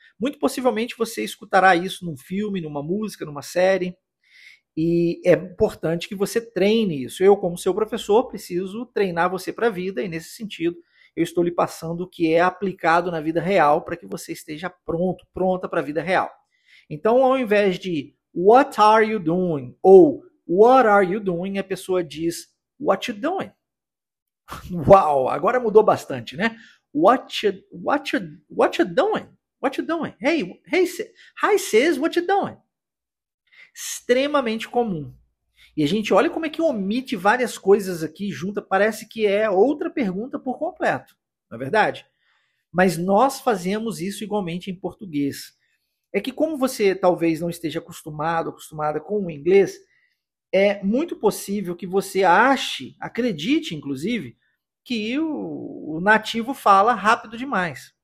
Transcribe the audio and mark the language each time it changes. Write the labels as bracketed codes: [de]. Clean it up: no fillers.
[pt] Muito possivelmente você escutará isso num filme, numa música, numa série. E é importante que você treine isso. Eu, como seu professor, preciso treinar você para a vida. E nesse sentido, eu estou lhe passando o que é aplicado na vida real para que você esteja pronto, pronta para a vida real. Então, ao invés de [en] what are you doing [pt] ou what are you doing, a pessoa diz [en] what you doing. [pt] Uau, agora mudou bastante, né? [en] What you doing? Hey, hi sis, what you doing? [pt] Extremamente comum. E a gente olha como é que omite várias coisas aqui junta, parece que é outra pergunta por completo, não é verdade? Mas nós fazemos isso igualmente em português. É que como você talvez não esteja acostumado, acostumada com o inglês, é muito possível que você ache, acredite inclusive, que o nativo fala rápido demais.